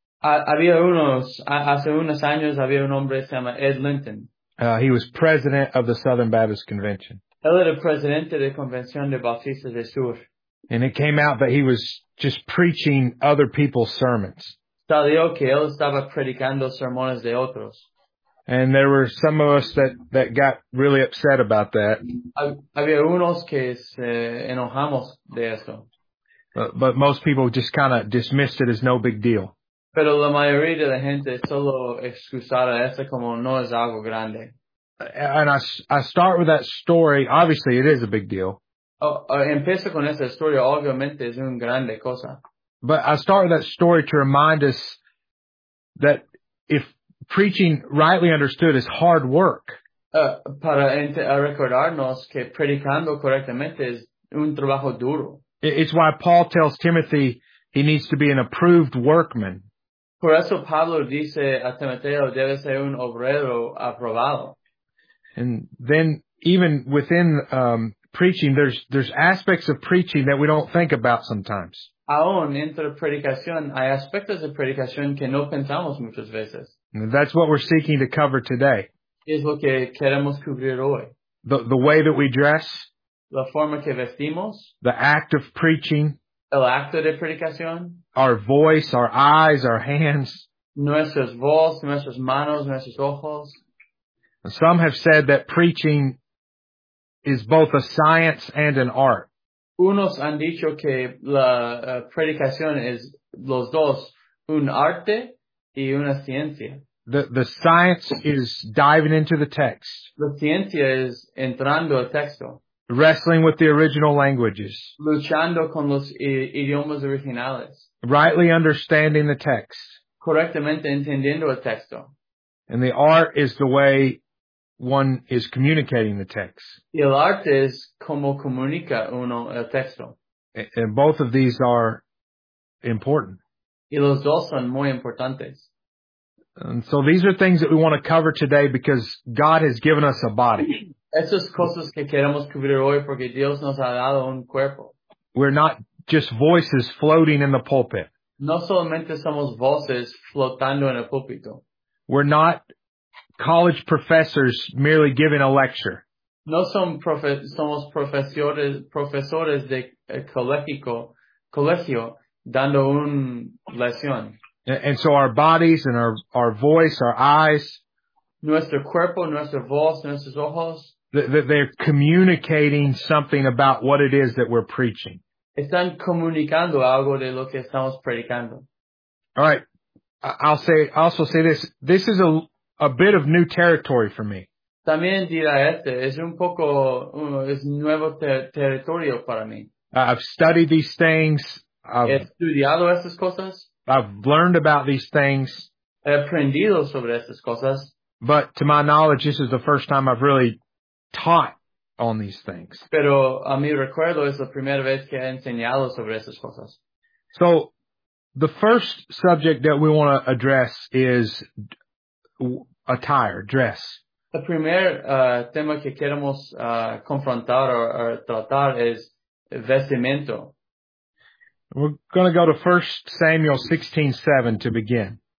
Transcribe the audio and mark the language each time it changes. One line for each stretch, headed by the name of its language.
Spanish: Hace unos años había un hombre que se llama Ed Linton.
English: He was president of the Southern Baptist Convention.
Spanish: Él era presidente de Convención de Bautistas del Sur.
English: And it came out that he was just preaching other people's sermons.
Spanish: Salió que él estaba predicando sermones de otros.
English: And there were some of us that got really upset about that.
Spanish: Había unos que se enojamos de eso.
English: But most people just kind of dismissed it as no big deal.
Spanish: Pero la mayoría de la gente solo excusara eso como no es algo grande.
English: And I start with that story. Obviously, it is a big deal.
Spanish: Empiezo con esa historia. Obviamente, es una grande cosa.
English: But I start with that story to remind us that if preaching, rightly understood, is hard work.
Spanish: Recordarnos que predicando correctamente es un trabajo duro.
English: It's why Paul tells Timothy he needs to be an approved workman.
Spanish: Por eso Pablo dice a Timoteo, debe ser un obrero aprobado.
English: And then even within preaching, there's aspects of preaching that we don't think about sometimes.
Spanish: Aún entre predicación, hay aspectos de predicación que no pensamos muchas veces.
English: And that's what we're seeking to cover today.
Spanish: Es lo que queremos cubrir hoy.
English: The way that we dress.
Spanish: La forma que vestimos.
English: The act of preaching.
Spanish: El acto de predicación.
English: Our voice, our eyes, our hands.
Spanish: Nuestras voces, nuestras manos, nuestros ojos.
English: Some have said that preaching is both a science and an art.
Spanish: Unos han dicho que la predicación es los dos, un arte y una ciencia.
English: The science is diving into the text.
Spanish: La ciencia es entrando al texto.
English: Wrestling with the original languages.
Spanish: Luchando con los idiomas originales.
English: Rightly understanding the text.
Spanish: Correctamente entendiendo el texto.
English: And the art is the way one is communicating the text.
Spanish: Y el arte es como comunica uno el texto.
English: And both of these are important.
Spanish: Y los dos son muy importantes.
English: And so these are things that we want to cover today because God has given us a body.
Spanish: Esas cosas que queremos cubrir hoy porque Dios nos ha dado un cuerpo.
English: We're not just voices floating in the pulpit.
Spanish: No solamente somos voces flotando en el púlpito.
English: We're not college professors merely giving a lecture.
Spanish: No somos profesores de colegio dando una lección.
English: And so our bodies and our voice, our eyes.
Spanish: Nuestro cuerpo, nuestra voz, nuestros ojos.
English: That they're communicating something about what it is that we're preaching.
Spanish: Están comunicando algo de lo que estamos predicando.
English: All right. I'll also say this. This is a bit of new territory for me.
Spanish: También dirá este. Es un poco, es nuevo territorio para mí.
English: I've studied these things.
Spanish: He estudiado estas cosas.
English: I've learned about these things.
Spanish: He aprendido sobre estas cosas.
English: But to my knowledge, this is the first time I've really taught on these things.
Spanish: Pero a mi recuerdo es la primera vez que he enseñado sobre esas cosas.
English: So, the first subject that we want to address is attire, dress.
Spanish: El primer tema que queremos confrontar o tratar es vestimento.
English: We're going to go to 1 Samuel 16:7 to begin.